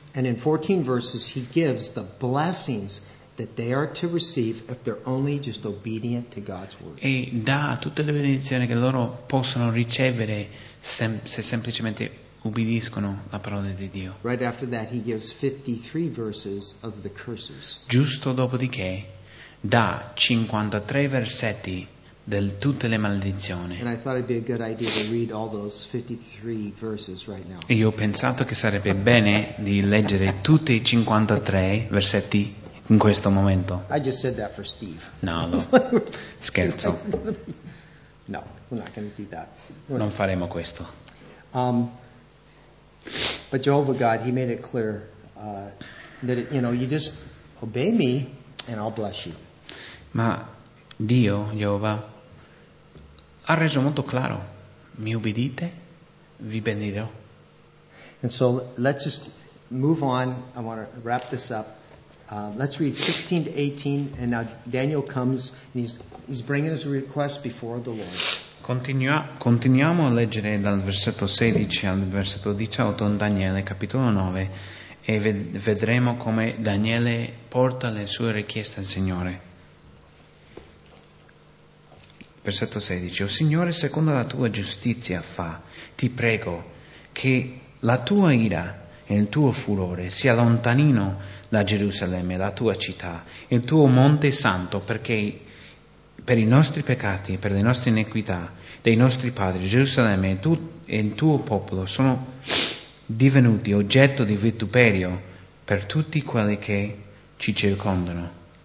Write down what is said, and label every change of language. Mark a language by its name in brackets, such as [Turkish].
[English] And in 14 verses, he gives the blessings that they are to receive if they're only just obedient to God's word. [Italian] E dà tutte le benedizioni che loro possono ricevere se semplicemente ubbidiscono la parola di Dio. [English] Right after that he gives 53 verses of the curses. [Italian] Giusto dopodiché dà 53 versetti del tutte le maldizioni. [English] And I thought it'd be a good idea to read all those 53 verses right now. [Italian] E io ho pensato che sarebbe bene di leggere tutti i 53 versetti in questo momento. [English] I just said that for Steve. [Italian] No, no. Scherzo. [English] No, we're not going to do that. [Italian] Non faremo questo. [English] But Jehovah God, he made it clear that it, you know, you just obey me and I'll bless you. [Italian] Ma Dio, Jehovah, ha reso molto chiaro: mi ubbidite, vi benedirò. [English] And so let's just move on. I want to wrap this up. Let's read 16 to 18, and now Daniel comes and he's bringing his request before the Lord. [Italian] Continuiamo a leggere dal versetto 16 al versetto 18 in Daniele capitolo 9 e vedremo come Daniele porta le sue richieste al Signore. Versetto 16: O Signore, secondo la tua giustizia fa, ti prego, che la tua ira e il tuo furore sia lontanino da Gerusalemme, la tua città, il tuo monte santo, perché per i nostri peccati e per le nostre iniquità dei nostri padri, Gerusalemme tu e il tuo popolo sono divenuti oggetto di vituperio per tutti quelli che ci circondano.